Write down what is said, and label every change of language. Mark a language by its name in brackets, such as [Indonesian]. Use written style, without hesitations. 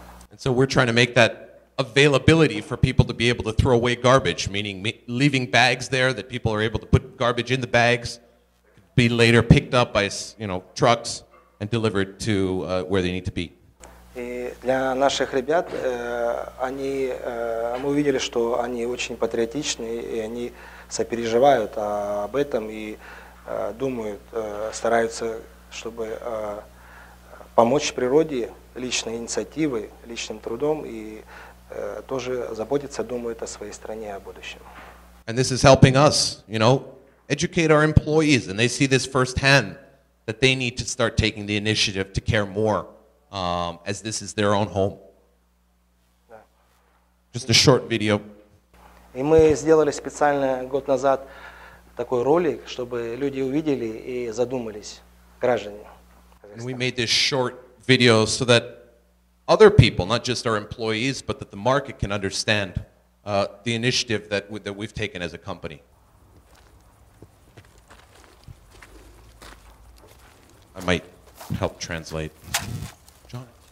[English] And so we're trying to make that availability for people to be able to throw away garbage, meaning leaving bags there that people are able to put garbage in the bags, be later picked up by, you know, trucks and delivered to where they need to be. [Russian] И для наших ребят они мы увидели, что они очень патриотичные и они сопереживают об этом и думают, стараются, чтобы помочь природе личной инициативой, личным трудом и тоже заботятся, думают о своей стране, о будущем. [English] And this is helping us, you know, educate our employees, and they see this firsthand that they need to start taking the initiative to care more, as this is their own home. Just a short video. [Russian] И мы сделали специально год назад такой ролик, чтобы люди увидели и задумались, граждане. [English] And we made this short video so that other people, not just our employees, but that the market can understand the initiative that we've taken as a company. I might help translate. John.